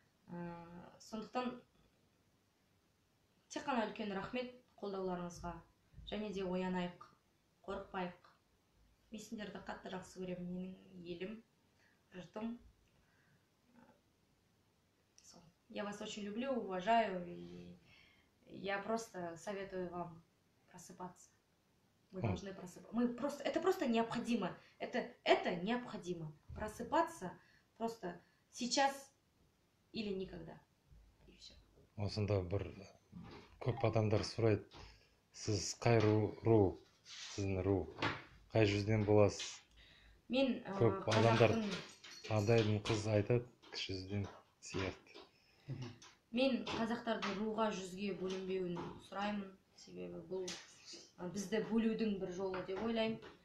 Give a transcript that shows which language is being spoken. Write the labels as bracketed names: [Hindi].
[Kazakh] Сондықтан тек қана үлкен рахмет қолдауларыңызға. Және де оянайық, қорықпайық. Мен сендерді қатты жақсы көремін, менің елім, жұртым. [Russian] Я вас очень люблю, уважаю, и я просто советую вам просыпаться. Мы должны просыпаться. Мы просто, это просто необходимо. Это необходимо. Просыпаться просто сейчас или никогда. И все. [Kazakh] Осында бір көп адамдар сұрайды. Сіз қай ру? Сіздің ру? Қай жүзден боласыз? Мен көп адамдар адайдың қызы айтады, кіші жүзден сияқты. Мен қазақтардың руға жүзге бөлінбеуін сұраймын, себебі бұл бізді бөлудің бір жолы деп ойлаймын.